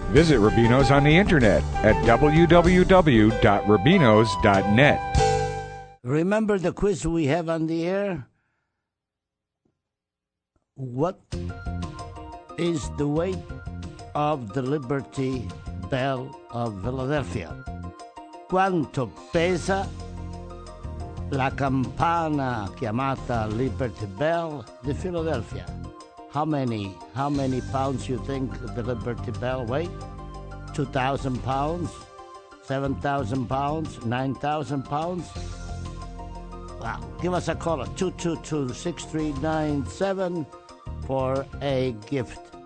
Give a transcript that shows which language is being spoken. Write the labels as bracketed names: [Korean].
[English] Visit Rubino's on the internet at www.rubinos.net. Remember the quiz we have on the air? What is the weight of the Liberty Bell of Philadelphia? [Italian] Quanto pesa la campana chiamata Liberty Bell di Philadelphia? [English] How many pounds you think the Liberty Bell weigh? 2,000 pounds? 7,000 pounds? 9,000 pounds? Well, give us a call at 222-6397 for a gift.